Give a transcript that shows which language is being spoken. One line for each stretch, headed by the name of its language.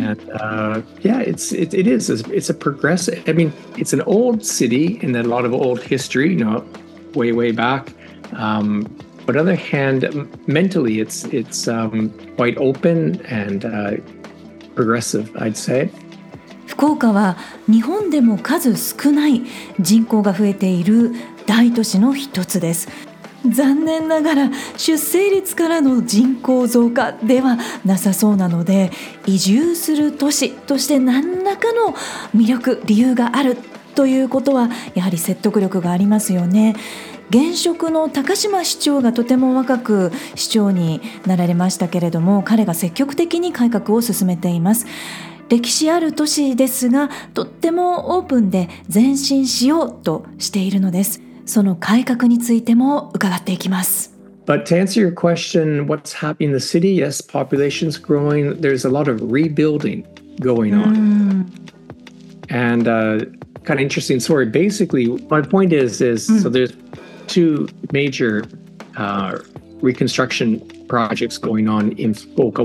English: And it's a progressive. I mean, it's an old city and a lot of old history, you know, way, way back. But on the other hand, mentally, it's quite open and progressive, I'd say.
Japanese: 福岡は日本でも数少ない人口が増えている大都市の一つです。残念ながら出生率からの人口増加ではなさそうなので、移住する都市として何らかの魅力、理由があるということはやはり説得力がありますよね。現職の高島市長がとても若く市長になられましたけれども、彼が積極的に改革を進めています。歴史ある都市ですが、とってもオープンで前進しようとしているのです。その改革についても伺っていきます。
English: But to answer your question, what's happening in the city? Yes, population's growing. There's a lot of rebuilding going on. And kind of interesting story. Basically, my point is so there's two major reconstruction projects going on in Fukuoka.